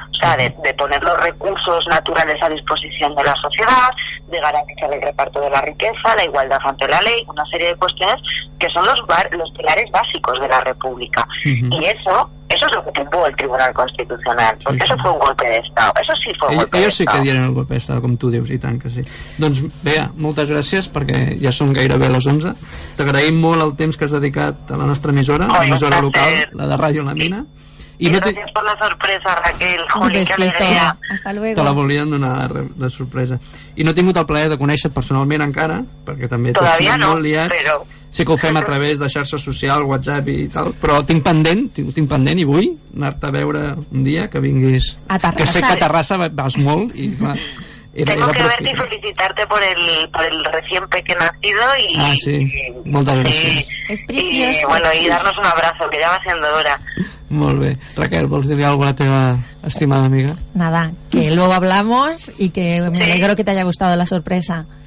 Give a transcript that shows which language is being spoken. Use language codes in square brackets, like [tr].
[es] O sea, de poner los recursos naturales a disposición de la sociedad, de garantizar el reparto de la riqueza, la igualdad ante la ley, una serie de cuestiones que son los pilares básicos de la república. Uh-huh. Y eso es lo que tumbó el Tribunal Constitucional, porque sí, sí. Eso fue un golpe de Estado. Eso sí fue un golpe de Estado. Ellos sí que dieron el golpe de Estado, como tú dius, [ca] i tant que sí. Doncs, Bea, moltes gràcies, perquè ja són gairebé les 11. T'agraïm molt el temps que has dedicat a la nostra emissora, a l'emissora local, la de Ràdio La Mina. [es] Y no gracias por la sorpresa, Raquel. Un besito. Hasta luego. [ca] Te la volien donar de sorpresa. I no he tingut el plaer de conèixer-te personalment encara, perquè també t'ho he molt liat. Però... Sí que ho fem a través de xarxa social, WhatsApp i tal, però tinc pendent i vull anar-te a veure un dia que vinguis... A Terrassa. Que sé que a Terrassa vas molt i clar... [es] Tengo que verte y felicitarte por el recién pequeño nacido y, ah, sí. Muchas gracias. Es precioso. Y bueno, y darnos un abrazo, que ya va siendo hora. Muy bien. [ca] Raquel, ¿vols dir algo a la teva estimada amiga? [es] Nada, que luego hablamos y que me alegro que te haya gustado la sorpresa.